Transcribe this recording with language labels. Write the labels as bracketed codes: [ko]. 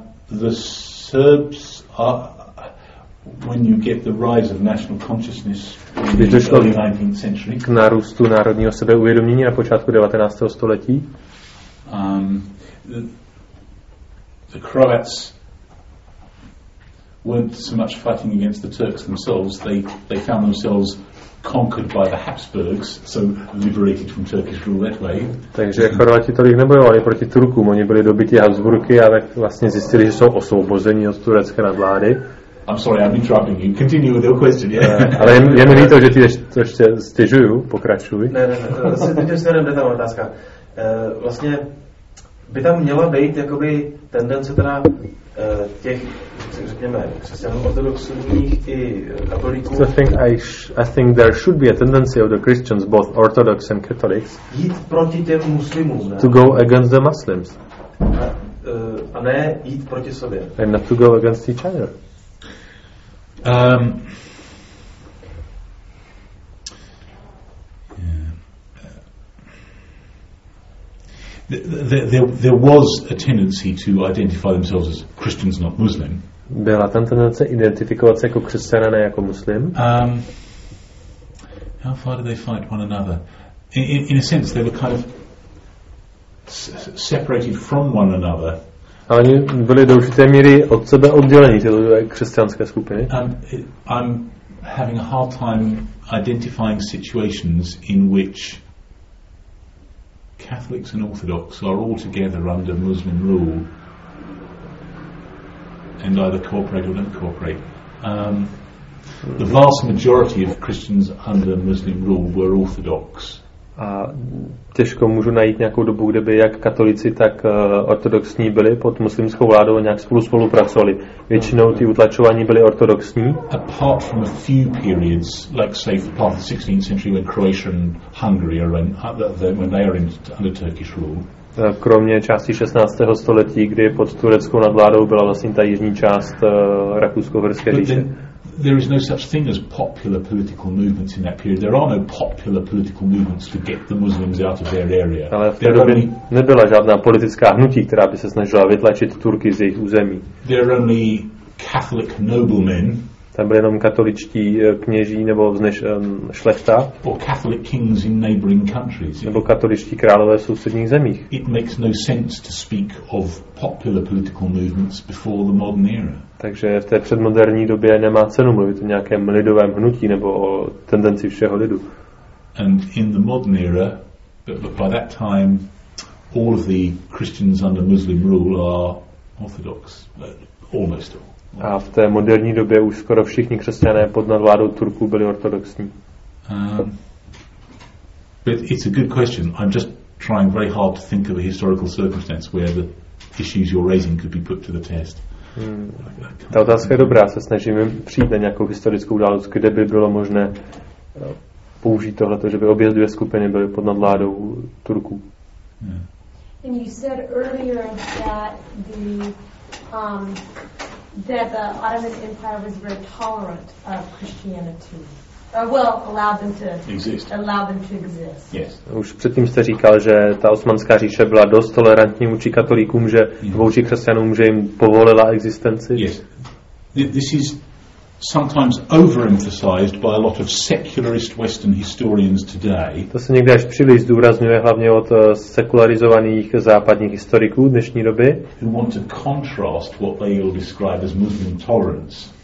[en] The Serbs are, when you get the rise of national consciousness in the early 19th century, [cs] k nárůstu národního sebeuvědomění na počátku 19. století, [en] the Croats weren't so much fighting against the Turks themselves, they found themselves conquered by the Habsburgs, so liberated from Turkish rule that way. [cs] Takže Chorvati tolik nebojovali proti Turkům, oni byli dobyti Habsburky a tak vlastně zjistili, že jsou osvobozeni od turecké nadvlády. [en] I'm sorry, I'm interrupting you. Continue with your question, yeah? [cs] Ale je mi líto, že ty ještě stěžuju, pokračuj. Ne, to je ta otázka. Vlastně by tam měla být jakoby tendence teda těch, řekněme, křesťanů ortodoxních i katolíků. [en] So I think there should be a tendency of the Christians, both Orthodox and Catholics, [cs] jít proti těm muslimům, ne? [en] To go against the Muslims. [cs] A ne jít proti sobě. [en] And not to go against each other. There was a tendency to identify themselves as Christians, not Muslim. [cs] Byla tam tendence identifikovat se jako křesťané, ne jako muslim. [en] How far did they fight one another? In a sense, they were kind of separated from one another. [cs] A oni byli do určité míry od sebe oddělení, tyto křesťanské skupiny. [en] I'm having a hard time identifying situations in which Catholics and Orthodox are all together under Muslim rule and either cooperate or don't cooperate. The vast majority of Christians under Muslim rule were Orthodox. [cs] A těžko můžu najít nějakou dobu, kde by jak katolici, tak ortodoxní byli pod muslimskou vládou a nějak spolu spolupracovali. Většinou ty utlačování byly ortodoxní. [en] Apart from a few periods, like say for part of the 16th century when Croatia and Hungary are in, when they are in, under Turkish rule. [cs] Kromě části 16. století, kdy pod tureckou nadvládou byla vlastně ta jižní část Rakousko-Uherské říše. [en] There is no such thing as popular political movements in that period. There are no popular political movements to get the Muslims out of their area. [cs] Ale v té době nebyla žádná politická hnutí, která by se snažila vytlačit Turky z jejich území. [en] There are only Catholic noblemen. [cs] Tam byli jenom katoličtí kněží nebo šlechta. [en] Or Catholic kings in neighboring countries. [cs] Nebo katoličtí králové v sousedních zemích. [en] It makes no sense to speak of popular political movements before the modern era. [cs] Takže v té předmoderní době nemá cenu mluvit o nějakém lidovém hnutí nebo o tendenci všeho lidu. [en] And in the modern era, but by that time, all of the Christians under Muslim rule are Orthodox, almost all. [cs] A v té moderní době už skoro všichni křesťané pod nadvládou Turků byli ortodoxní. [en] But it's a good question. I'm just trying very hard to think of a historical circumstance where the issues you're raising could be put to the test. [cs] Ta otázka je dobrá, se snažím přijít na nějakou historickou událost, kde by bylo možné použít tohle, že by obě dvě skupiny byly pod nadvládou Turků. [en] Yeah. And you said earlier that the Ottoman Empire was very tolerant of Christianity. Allowed them to exist. Yes. [cs] Už předtím jste říkal, že ta osmanská říše byla dost tolerantní vůči katolíkům, že vůči křesťanům, že jim povolila existenci. [en] Yes. This is sometimes overemphasized by a lot of secularist Western historians today. [cs] To se někdy až příliš zdůrazňuje, hlavně od sekularizovaných západních historiků dnešní doby. [en] Who want to contrast what they will describe as Muslim tolerance.